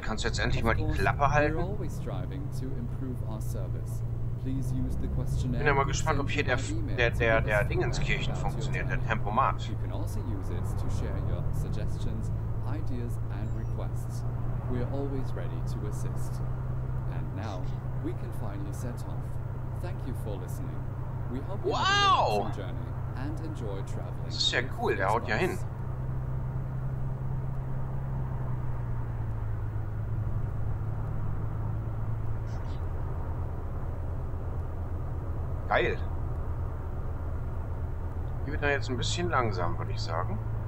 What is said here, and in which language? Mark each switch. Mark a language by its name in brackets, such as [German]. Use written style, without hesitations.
[German] Kannst du jetzt endlich mal die Klappe halten? Ich bin ja mal gespannt, ob hier der Dingenskirchen funktioniert, der Tempomat. [English] You can also use it to share your suggestions, ideas and requests. We are always ready to assist. And now we can finally set off. Thank you for listening. We hope you have a good journey and enjoy traveling. [German] Das ist ja cool, der haut ja hin. Geil. Hier wird er jetzt ein bisschen langsam, würde ich sagen.